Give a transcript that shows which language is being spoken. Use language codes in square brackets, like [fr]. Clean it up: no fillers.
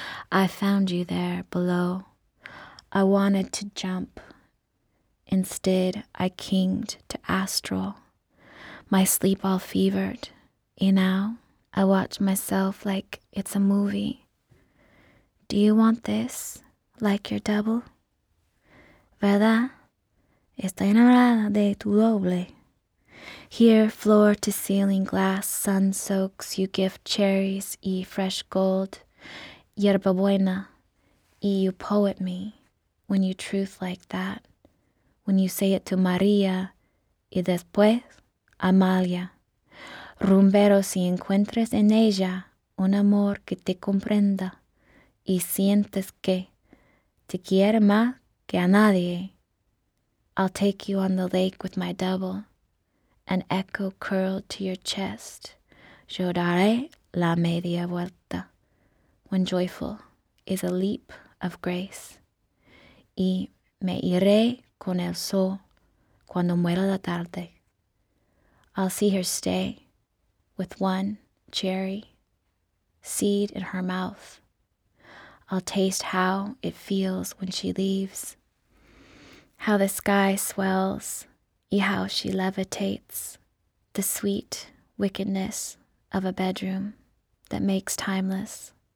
[en] I found you there below. I wanted to jump. Instead, I kinged to astral. My sleep all fevered. You know? I watch myself like it's a movie. Do you want this like your double? [es] ¿Verdad? Estoy enamorada de tu doble. [en] Here, floor to ceiling glass, sun soaks, you gift cherries y fresh gold, yerba buena, y you poet me when you truth like that, when you say it to Maria [es] y después [en] Amalia. [es] Rumbero, si encuentres en ella un amor que te comprenda y sientes que te quiere más que a nadie, [en] I'll take you on the lake with my double, an echo curled to your chest. [es] Yo daré la media vuelta [en] when joyful is a leap of grace. [es] Y me iré con el sol cuando muera la tarde. [en] I'll see her stay with one cherry seed in her mouth. I'll taste how it feels when she leaves, how the sky swells, y how she levitates, the sweet wickedness of a bedroom that makes timeless.